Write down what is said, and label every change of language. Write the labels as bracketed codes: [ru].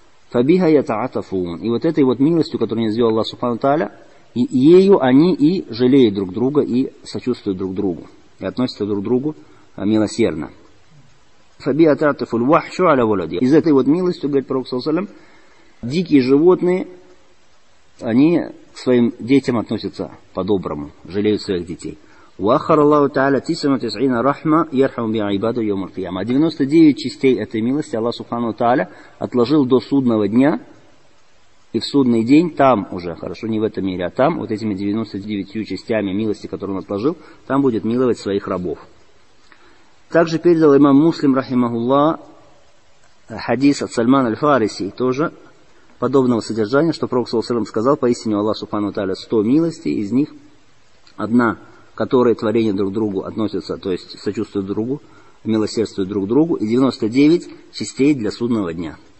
[ar] Фабиха ятаатафун. [ru] И вот этой вот милостью, которую не сделал Аллах Субхану Та'аля, и ею они и жалеют друг друга, и сочувствуют друг другу, и относятся друг к другу милосердно. [ar] Фабиха ятаатафун. Вахшу аля валяди. [ru] Из этой вот милостью, говорит пророк саллаллаху алейхи вассалям, дикие животные, они к своим детям относятся по-доброму, жалеют своих детей. [ar] وآخر الله تعالى 99 رحمة يرحم بها عباده يوم القيامة. [ru] 99 частей этой милости Аллах Субхану Тааля отложил до судного дня, и в судный день там уже, хорошо, не в этом мире, а там, вот этими 99 частями милости, которые он отложил, там будет миловать своих рабов. Также передал имам Муслим, рахимахуллах, хадис от Сальмана аль-Фариси, тоже подобного содержания, что Пророк саллаллаху алейхи ва саллям сказал, поистине Аллах Субхану Тааля 100 милостей, из них одна, которые творение друг к другу относятся, то есть сочувствуют другу, милосердствуют друг другу, и 99 частей для судного дня.